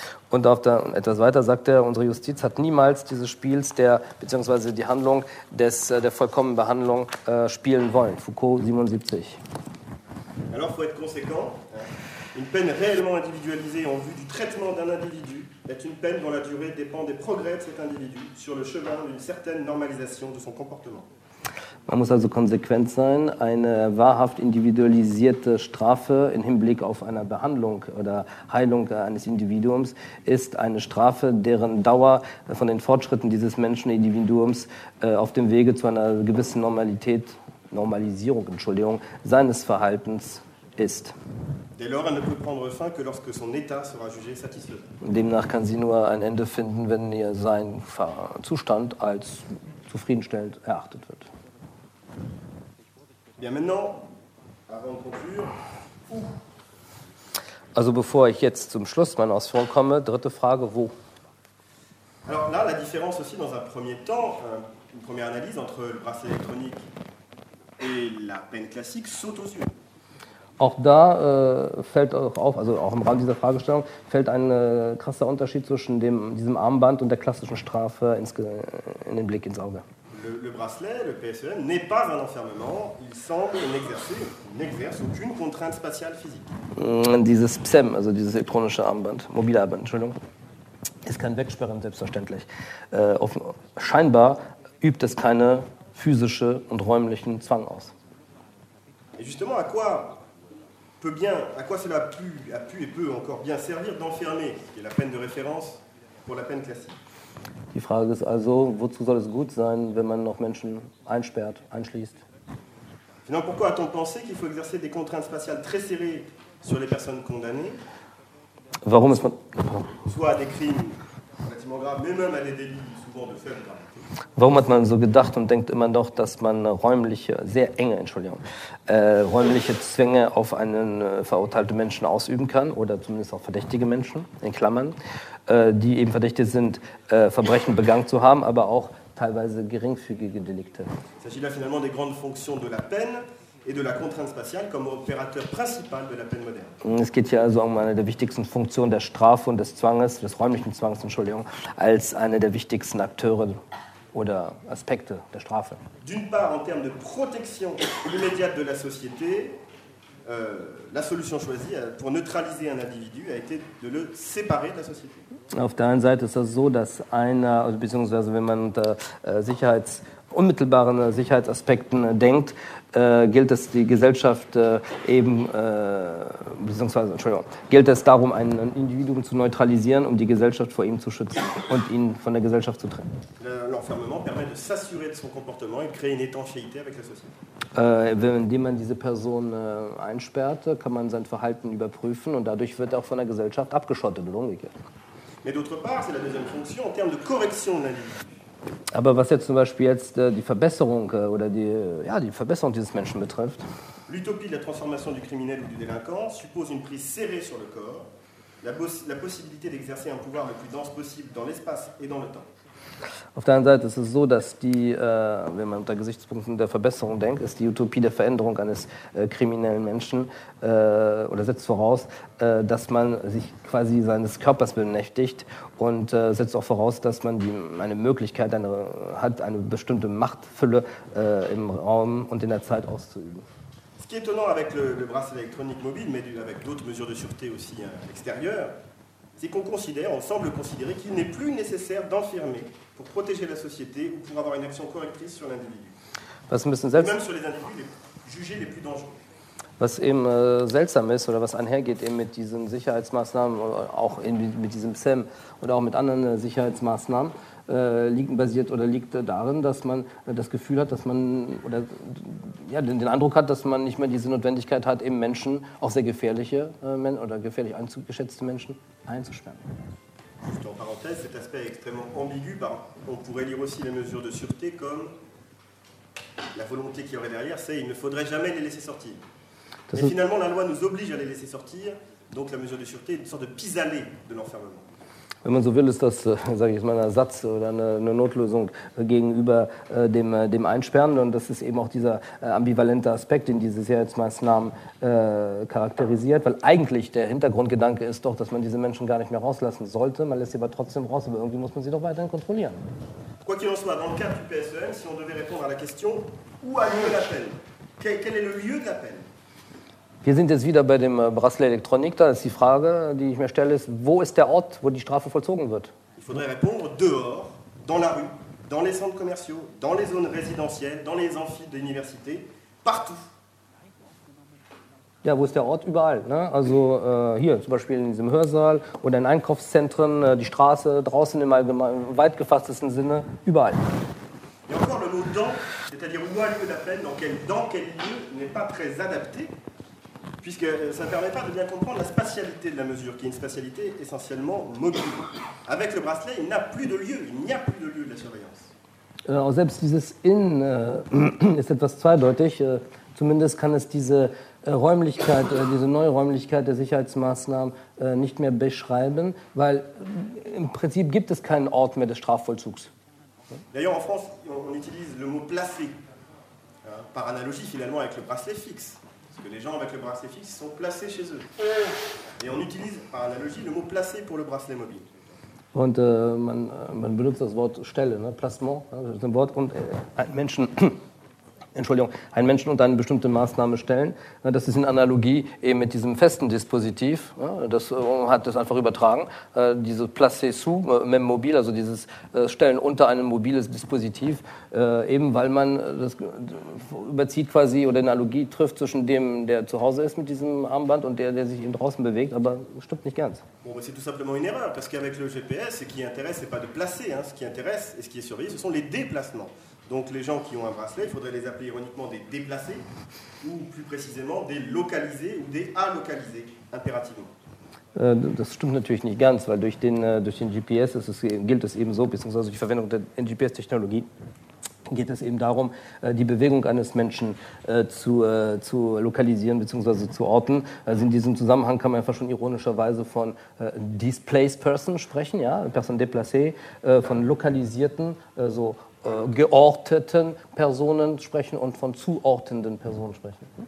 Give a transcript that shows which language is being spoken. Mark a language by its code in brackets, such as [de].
[de] Und auf der, etwas weiter sagt er, unsere Justiz hat niemals dieses Spiels der, beziehungsweise die Handlung des, der vollkommenen Behandlung spielen wollen. Foucault 77. [fr] Alors, faut être conséquent. Une peine réellement individualisée en vue du traitement d'un individu est une peine dont la durée dépend des progrès de cet individu sur le chemin d'une certaine normalisation de son comportement. [de] Man muss also konsequent sein. Eine wahrhaft individualisierte Strafe im Hinblick auf eine Behandlung oder Heilung eines Individuums ist eine Strafe, deren Dauer von den Fortschritten dieses Menschenindividuums auf dem Wege zu einer gewissen Normalität, Normalisierung, Entschuldigung, seines Verhaltens ist. [fr] Dès lors, elle ne peut prendre fin que lorsque son état sera jugé satisfaisant. [de] Demnach kann sie nur ein Ende finden, wenn ihr sein Zustand als zufriedenstellend erachtet wird. [fr] Bien maintenant, avant de conclure. [de] Also bevor ich jetzt zum Schluss meiner Ausführung komme, dritte Frage, wo? [fr] Alors là, la différence aussi dans un premier temps, une première analyse entre le bracelet électronique et la peine classique saute aux yeux. [de] Auch da fällt auch auf, also auch im Rahmen dieser Fragestellung, fällt ein krasser Unterschied zwischen dem, diesem Armband und der klassischen Strafe ins, in den Blick ins Auge. [fr] Le bracelet, le PSEM, n'est pas un enfermement, il semble n'exercer, n'exerce aucune contrainte spatiale physique. [de] Dieses PSEM, also dieses elektronische Armband, mobile Armband, Entschuldigung, ist kein Wegsperren, selbstverständlich. Scheinbar übt es keine physische und räumlichen Zwang aus. [fr] Et justement, à quoi peut bien, à quoi cela a pu et peut encore bien servir d'enfermer, qui est la peine de référence pour la peine classique. [de] Die Frage ist also, wozu soll es gut sein, wenn man noch Menschen einsperrt, einschließt? [fr] Finalement, pourquoi a-t-on pensé qu'il faut exercer des contraintes spatiales très serrées sur les personnes condamnées? [de] Warum ist man... [fr] Soit à des crimes relativement graves, mais même à des délits souvent de faible gravité. [de] Warum hat man so gedacht und denkt immer noch, dass man räumliche, sehr enge, Entschuldigung, räumliche Zwänge auf einen verurteilten Menschen ausüben kann oder zumindest auch verdächtige Menschen, in Klammern, die eben verdächtig sind, Verbrechen begangen zu haben, aber auch teilweise geringfügige Delikte? Es geht hier [fr] finalement des grandes fonctions de la peine et de la contrainte spatiale comme opérateur principal de la peine moderne. [de] Es geht hier also um eine der wichtigsten Funktionen der Strafe und des Zwanges, des räumlichen Zwangs, Entschuldigung, als eine der wichtigsten Akteure oder Aspekte der Strafe. [fr] D'une part en termes de protection immédiate de la société, la solution choisie pour neutraliser un individu a été de le séparer de la société. [de] Auf der einen Seite ist das so, dass einer, beziehungsweise wenn man unter Sicherheits, unmittelbaren Sicherheitsaspekten denkt, gilt es die Gesellschaft eben, beziehungsweise, Entschuldigung, gilt es darum, ein Individuum zu neutralisieren, um die Gesellschaft vor ihm zu schützen und ihn von der Gesellschaft zu trennen. [fr] L'enfermement permet de s'assurer de son comportement et de créer une étanchéité avec la société. [de] Indem man diese Person einsperrt, kann man sein Verhalten überprüfen und dadurch wird er auch von der Gesellschaft abgeschottet und umgekehrt. [fr] Mais d'autre part, c'est la deuxième fonction en termes de correction de l'individu. [de] Aber was jetzt zum Beispiel jetzt die Verbesserung oder die, ja, die Verbesserung dieses Menschen betrifft. [fr] L'utopie de la transformation du criminel ou du délinquant suppose une prise serrée sur le corps, la possibilité d'exercer un pouvoir le plus dense possible dans l'espace et dans le temps. [de] Auf der einen Seite ist es so, dass die, wenn man unter Gesichtspunkten der Verbesserung denkt, ist die Utopie der Veränderung eines kriminellen Menschen oder setzt voraus, dass man sich quasi seines Körpers bemächtigt und setzt auch voraus, dass man die, eine Möglichkeit eine, hat, eine bestimmte Machtfülle im Raum und in der Zeit auszuüben. [fr] Ce qui est étonnant avec le bracelet électronique mobile, mais avec d'autres mesures de sûreté aussi extérieures, c'est qu'on considère, on semble considérer qu'il n'est plus nécessaire d'enfermer pour protéger la société ou pour avoir une action correctrice sur l'individu. Même sur les individus les jugés les plus dangereux. [de] Was eben seltsam ist oder was einhergeht eben mit diesen Sicherheitsmaßnahmen, auch in, mit diesem SEM oder auch mit anderen Sicherheitsmaßnahmen, liegt darin, dass man das Gefühl hat, dass man oder ja, den Eindruck hat, dass man nicht mehr diese Notwendigkeit hat, eben Menschen, auch sehr gefährliche oder gefährlich eingeschätzte Menschen, einzusperren. [fr] Juste en parenthèse, cet aspect est extrêmement ambigu, on pourrait lire aussi les mesures de sûreté comme la volonté qu'il y aurait derrière, c'est qu'il ne faudrait jamais les laisser sortir. Mais finalement, la loi nous oblige à les laisser sortir, donc la mesure de sûreté est une sorte de pis-aller de l'enfermement. [de] Wenn man so will, ist das, sage ich mal, ein Ersatz oder eine Notlösung gegenüber dem Einsperren. Und das ist eben auch dieser ambivalente Aspekt, den diese Sicherheitsmaßnahmen charakterisiert. Weil eigentlich der Hintergrundgedanke ist doch, dass man diese Menschen gar nicht mehr rauslassen sollte. Man lässt sie aber trotzdem raus, aber irgendwie muss man sie doch weiterhin kontrollieren. [fr] Quoi qu'il en soit, dans le cadre du PSEM, si on devait répondre à la question, où a lieu l'appel? Quel est le lieu de l'appel? [de] Wir sind jetzt wieder bei dem Bracelet Elektronik. Da ist die Frage, die ich mir stelle, ist, wo ist der Ort, wo die Strafe vollzogen wird? [fr] Il faudrait répondre dehors, dans la rue, dans les centres commerciaux, dans les zones résidentielles, dans les amphis d'université, partout. [de] Ja, wo ist der Ort? Überall. Ne? Also hier zum Beispiel in diesem Hörsaal oder in Einkaufszentren, die Straße, draußen im allgemeinen, weit gefasstesten Sinne, überall. [fr] Et encore le mot dans, c'est-à-dire où a lieu la peine, dans quel lieu n'est pas très adapté. Puisque ça ne permet pas de bien comprendre la spatialité de la mesure, qui est une spatialité essentiellement mobile. Avec le bracelet, il n'a plus de lieu, il n'y a plus de lieu de la surveillance. [de] Alors, selbst dieses In ist etwas zweideutig. Zumindest kann es diese Räumlichkeit, diese neue Räumlichkeit der Sicherheitsmaßnahmen nicht mehr beschreiben, weil im Prinzip gibt es keinen Ort mehr des Strafvollzugs. [fr] D'ailleurs, en France, on utilise le mot placé, par analogie finalement avec le bracelet fixe. Parce que les gens avec le bracelet fixe sont placés chez eux. Et on utilise par analogie le mot placé pour le bracelet mobile. [de] Und man benutzt das Wort Stelle, ne? Placement, das ist ein Wort, und Menschen, Entschuldigung, einen Menschen unter eine bestimmte Maßnahme stellen. Das ist in Analogie eben mit diesem festen Dispositiv. Das hat das einfach übertragen. Dieses [fr] Placé sous même mobile, [de] also dieses Stellen unter einem mobiles Dispositiv, eben weil man das überzieht quasi oder Analogie trifft zwischen dem, der zu Hause ist mit diesem Armband und der sich eben draußen bewegt, aber stimmt nicht ganz. [fr] Bon, c'est tout simplement une erreur, parce qu'avec le GPS, ce qui intéresse, c'est pas de placer, hein. Ce qui intéresse et ce qui est surveillé, ce sont les déplacements. Donc les gens qui ont un bracelet, il faudrait les appeler ironiquement des déplacés ou plus précisément des localisés ou des alocalisés impérativement. [de] Das stimmt natürlich nicht ganz, weil durch den GPS gilt es eben so, beziehungsweise die Verwendung der GPS-Technologie geht es eben darum, die Bewegung eines Menschen zu lokalisieren bzw. zu orten. Also in diesem Zusammenhang kann man einfach schon ironischerweise von [en] displaced person [de] sprechen, ja, [fr] person déplacée, [de] von lokalisierten, so georteten Personen sprechen und von zuordnenden Personen sprechen.